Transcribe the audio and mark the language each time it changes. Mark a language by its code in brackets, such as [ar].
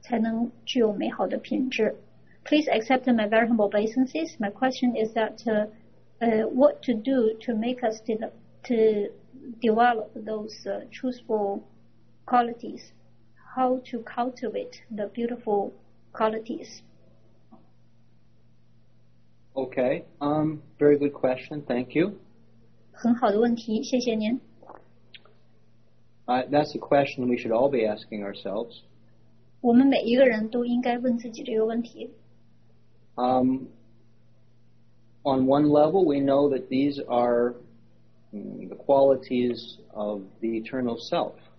[zh] 萨迪玛吉，那个在有问题吗？那问题是在什么地方来着？在聊天。哦，我看到了。第一个问题呢，是来自于卡玛拉穆里提玛塔吉的顶拜咕噜，请问怎样才能变得真诚呢？才能具有美好的品质？ [en] Please accept my very humble obeisances. My question is that, what to do to make us to develop those truthful qualities, how to cultivate the beautiful qualities. Okay, very good question, thank you. [zh] 很好的问题,谢谢您。 [en] That's a question we should all be asking ourselves. [zh] 我们每一个人都应该问自己这个问题。 [en] On one level, we know that these are the qualities of the eternal self.